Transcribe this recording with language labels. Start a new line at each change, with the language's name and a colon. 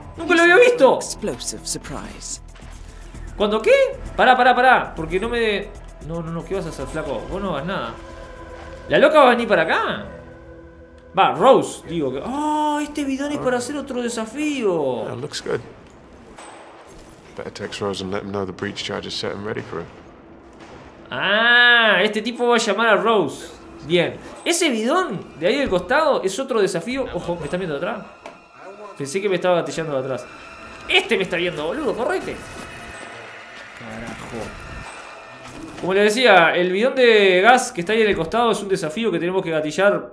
Spanish: Nunca lo había visto.
English: Explosive surprise.
Spanish: ¿Cuándo qué? Pará, pará, pará. Porque no me. No, no, no. ¿Qué vas a hacer, flaco? Vos no hagas nada. ¿La loca va a venir para acá? Va, Rose, digo que. ¡Oh! Este bidón es para hacer otro desafío.
English: Yeah, looks good. Better text Rose and let him know the breach charge is set and ready for him.
Spanish: Ah, este tipo va a llamar a Rose. Bien. Ese bidón de ahí del costado es otro desafío. Ojo, ¿me están viendo de atrás? Pensé que me estaba gatillando de atrás. Este me está viendo, boludo, correte. Carajo. Como les decía, el bidón de gas que está ahí en el costado es un desafío que tenemos que gatillar.